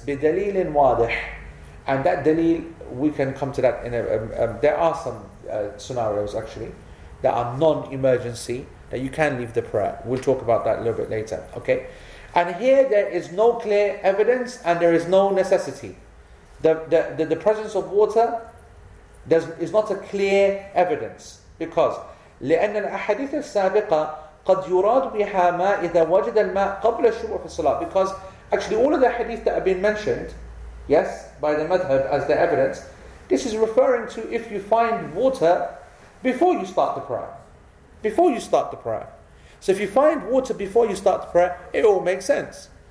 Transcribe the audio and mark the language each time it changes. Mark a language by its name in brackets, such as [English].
[Arabic] بِدَلِيلٍ وَاضِحٍ. [English] And that dalil, we can come to that in a. There are some scenarios actually that are non-emergency that you can leave the prayer. We'll talk about that a little bit later. Okay, and here there is no clear evidence and there is no necessity. The presence of water is not a clear evidence because [Arabic] لأن الأحاديث السابقة قد يراد بها ما إذا وجد الماء قبل شروع في الصلاة. [English] Because actually all of the hadith that have been mentioned, yes, by the madhab as the evidence, this is referring to if you find water before you start the prayer. Before you start the prayer. So if you find water before you start the prayer, it all makes sense.